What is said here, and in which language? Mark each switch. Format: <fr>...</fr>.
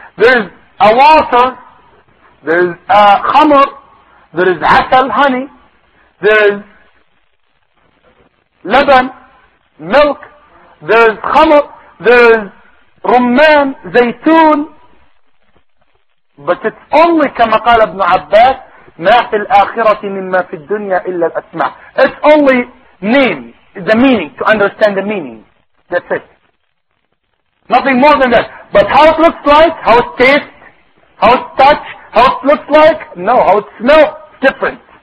<en>There's a water, there's a khamr, there is hasal, honey, there is laban, milk, there is khamr, there is rumman, zaytun, But it's only,</en> <ar>كما قال ابن عباس, ما في الآخرة مما في الدنيا إلا الأسماء.</ar> <en>It's only name, the meaning, to understand the meaning. That's it. Nothing more than that. But how it looks like, how it tastes, how it touch, how it looks like, no, how it smells, different.</en>